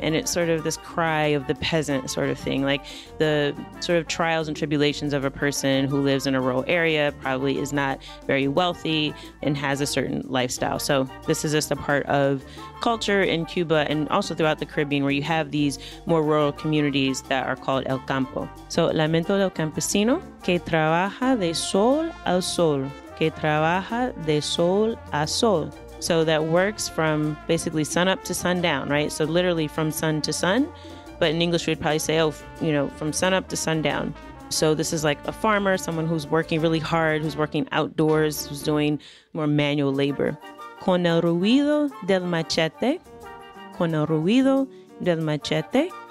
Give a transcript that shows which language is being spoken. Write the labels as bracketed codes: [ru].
[en] And it's sort of this cry of the peasant sort of thing, like the sort of trials and tribulations of a person who lives in a rural area, probably is not very wealthy and has a certain lifestyle. So this is just a part of culture in Cuba and also throughout the Caribbean, where you have these more rural communities that are called El Campo. [es] So Lamento del Campesino, que trabaja de sol a sol, que trabaja de sol a sol. [en] So that works from basically sun up to sundown, right? So literally from sun to sun. But in English, we'd probably say, oh, you know, from sun up to sundown. So this is like a farmer, someone who's working really hard, who's working outdoors, who's doing more manual labor. [es] Con el ruido del machete. Con el ruido del machete.